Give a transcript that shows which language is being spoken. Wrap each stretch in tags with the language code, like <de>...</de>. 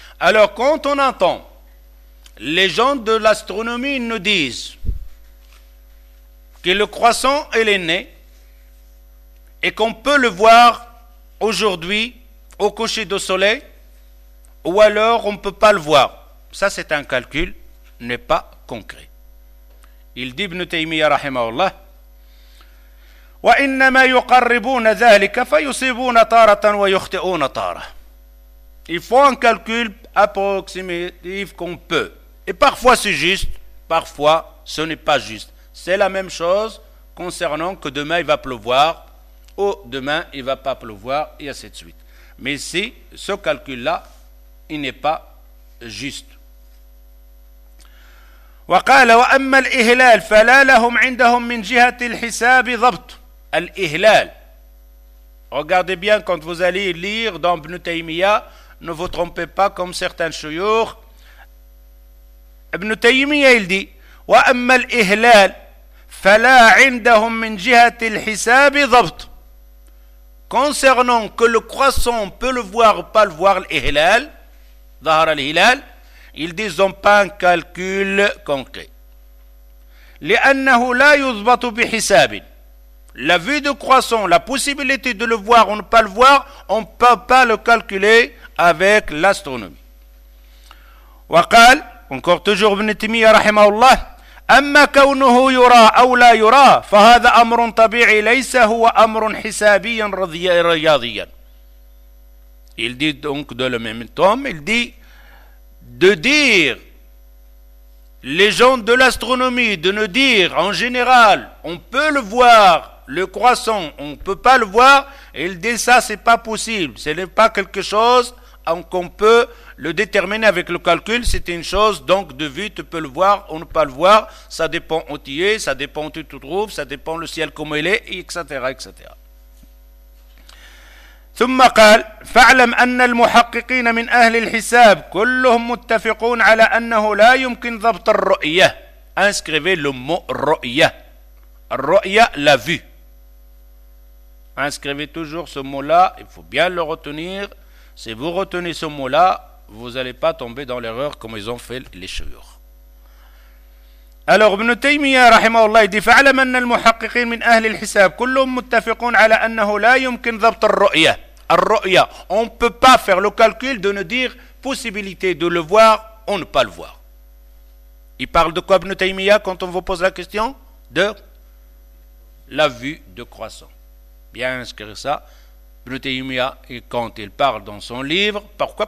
<fr>Alors, quand on entend les gens de l'astronomie nous disent que le croissant est né et qu'on peut le voir aujourd'hui au coucher du soleil, ou alors on ne peut pas le voir. Ça, c'est un calcul, n'est pas concret. Il dit Ibn Taymiyyah rahimahullah,</fr> <ar>وإنما يقربون ذلك فيصيبون طارة ويخطئون طارة.</ar> <fr>Il faut un calcul approximatif qu'on peut. Et parfois c'est juste, parfois ce n'est pas juste. C'est la même chose concernant que demain il va pleuvoir ou demain il ne va pas pleuvoir et ainsi de suite. Mais ici, ce calcul-là, il n'est pas juste.</fr> <ar>وقال وأما الإهلال فلا لهم عندهم من جهة الحساب ضبط. الإهلال.</ar> <fr>Regardez bien quand vous allez lire dans Ibn Taymiyyah, ne vous trompez pas comme certains shuyukh.</fr> <ar>Ibn Taymiyyah</ar> <fr>il dit</fr> <ar>وأما الإهلال فلا عندهم من جهة الحساب ضبط.</ar> <fr>Concernant que le croissant peut le voir ou pas le voir, l'Ihlal,</fr> <ar>ظهر الهلال.</ar> <fr>Ils disent pas un calcul concret.</fr> <ar>لأنه لا يضبط بحساب.</ar> <fr>La vue de croissant, la possibilité de le voir ou ne pas le voir, on ne peut pas le calculer avec l'astronomie.</fr> <ar>وقال,</ar> <fr>encore toujours</fr> <ar>Ibn Taymiyyah rahimahullah, أما كونه يرى أو لا يرى فهذا أمر طبيعي ليس هو أمر حسابي رياضيا.</ar> <fr>Il dit donc de le même temps, il dit de dire, les gens de l'astronomie, de nous dire, en général, on peut le voir, le croissant, on ne peut pas le voir, il dit ça, ce n'est pas possible, ce n'est pas quelque chose qu'on peut le déterminer avec le calcul, c'est une chose, donc de vue, tu peux le voir, on ne peut pas le voir, ça dépend où tu es, ça dépend où tu te trouves, ça dépend le ciel comment il est, etc., etc.</fr> <ar>ثم قال فاعلم أن المحققين من أهل الحساب كلهم متفقون على أنه لا يمكن ضبط الرؤية.</ar> <fr>Inscrivez le mot رؤية. الرؤية la vue. Inscrivez toujours ce mot-là. Il faut bien le retenir. Si vous retenez ce mot-là, vous n'allez pas tomber dans l'erreur comme ils ont fait les chouyoukh. Alors</fr> <ar>Ibn Taymiyyah rahimahullah dit فعلم أن المحققين من أهل الحساب كلهم متفقون على أنه لا يمكن ضبط الرؤية. الرؤية.</ar> <fr>On ne peut pas faire le calcul de nous dire possibilité de le voir ou ne pas le voir. Il parle de quoi Ibn Taymiyyah quand on vous pose la question? De la vue de croissant. Bien inscrire ça. Ibn Taymiyyah, et quand il parle dans son livre, pourquoi?</fr>